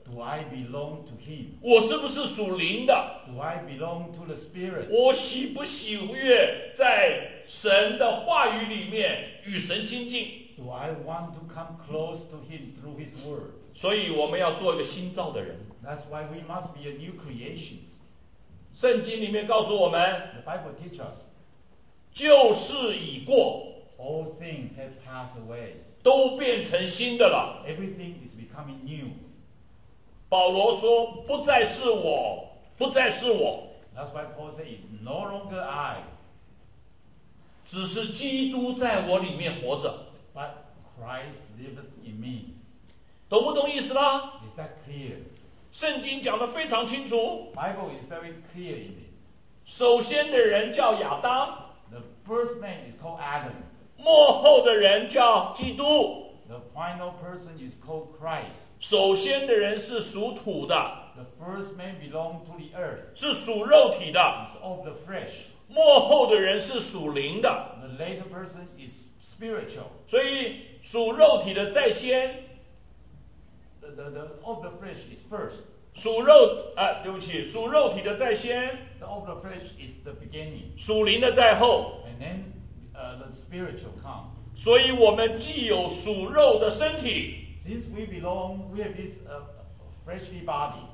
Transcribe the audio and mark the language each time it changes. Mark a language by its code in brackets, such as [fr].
[en] ？Do I belong to Him? [zh] 我是不是属灵的 [en] ？Do I belong to the Spirit? [zh] 我喜不喜悦在神的话语里面与神亲近 [en] ？Do I want to come close to Him through His Word? [zh] 所以我们要做一个新造的人。 [en] That's why we must be a new creation. [zh] 圣经里面告诉我们 [en] ，The Bible teaches us， [zh] 旧事已过 [en] ，All things have passed away， [zh] 都变成新的了 [en] ，Everything is becoming new。 [zh] 保罗说，不再是我，不再是我 [en] ，That's why Paul says it's no longer I， [zh] 只是基督在我里面活着 [en] ，But Christ lives in me。 [zh] 懂不懂意思了 [en] ？Is that clear？ [zh] 圣经讲得非常清楚。 [en] Bible is very clear in it. [zh] 首先的人叫亚当。 [en] The first man is called Adam. [zh] 末后的人叫基督。 [en] The final person is called Christ. [zh] 首先的人是属土的。 [en] The first man belong to the earth. [zh] 是属肉体的。 [en] It's of the flesh. [zh] 末后的人是属灵的。 [en] The later person is spiritual. [zh] 所以属肉体的在先。 [en] The of the flesh is first. [zh] 属肉啊，对不起，属肉体的在先。 [en] The of the flesh is the beginning. [zh] 属灵的在后。 [en] And then, the spiritual come. [zh] 所以我们既有属肉的身体。 [en] Since we belong, we have this fleshly body.